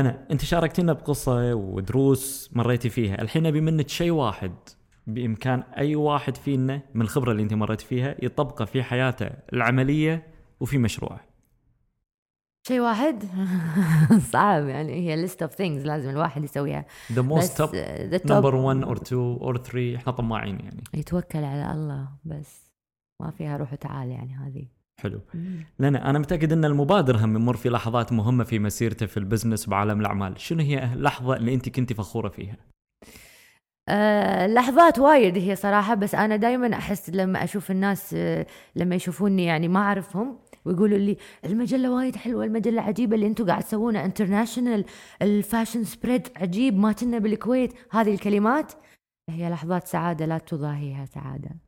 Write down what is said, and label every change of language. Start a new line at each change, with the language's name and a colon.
Arabic: لنا انت شاركتنا بقصة ودروس مريتي فيها الحين ابي منك شيء واحد بامكان اي واحد فينا من الخبرة اللي انت مريت فيها يطبقه في حياته العملية وفي مشروعه. شيء واحد صعب يعني هي
English: list of things
Arabic: لازم الواحد يسويها
English: the most top, the top number one or two or three
Arabic: احنا طماعين يعني يتوكل على الله بس ما فيها روح وتعال يعني هذه. حلو. لنا أنا متأكد أن المبادر هم يمر في لحظات مهمة في مسيرته في البزنس وعالم الأعمال، شنو هي اللحظة اللي أنت كنت فخورة فيها؟ لحظات وايد هي صراحة، بس أنا دايما أحس لما أشوف الناس لما يشوفوني يعني ما أعرفهم ويقولوا لي المجلة وايد حلوة، المجلة عجيبة اللي أنتوا قاعد تسوونه انترناشنال، الفاشن سبريد عجيب ما كنا بالكويت، هذه الكلمات هي لحظات سعادة لا تضاهيها سعادة.